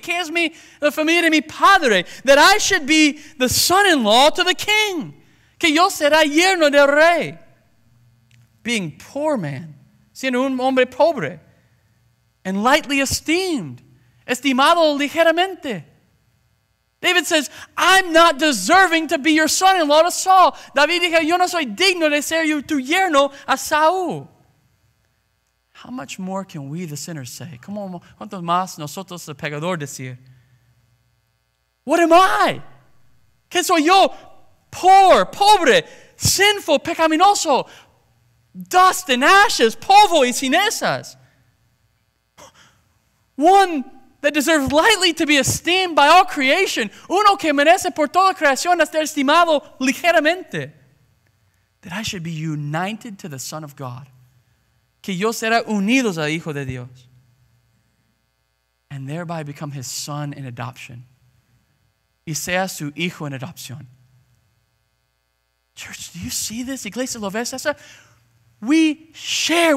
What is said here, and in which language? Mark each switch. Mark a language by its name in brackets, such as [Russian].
[Spanish] ¿Qué es mi, la familia de mi padre? [English] That I should be the son-in-law to the king. [Spanish] Que yo será yerno del rey. [English] Being poor man. [Spanish] Siendo un hombre pobre. [English] And lightly esteemed. [Spanish] Estimado ligeramente. [English] David says, I'm not deserving to be your son-in-law to Saul. [Spanish] David dijo, yo no soy digno de ser tu yerno a Saúl. [English] How much more can we, the sinners, say? [Spanish] ¿Cómo cuánto más nosotros, el pecador, decir? [English] What am I? [Spanish] ¿Qué soy yo? [English] Poor, [Spanish] pobre, [English] sinful, [Spanish] pecaminoso, [English] dust and ashes, [Spanish] polvo y cenizas. [English] One that deserves lightly to be esteemed by all creation. [Spanish] Uno que merece por toda creación ser estimado ligeramente. [English] That I should be united to the Son of God. [Spanish] Que yo será unidos al Hijo de Dios. [English] And thereby become his son in adoption. [Spanish] Y sea su hijo en adopción. [English] Church, do you see this? [Spanish] Iglesia, ¿lo ves esa? [English] We share.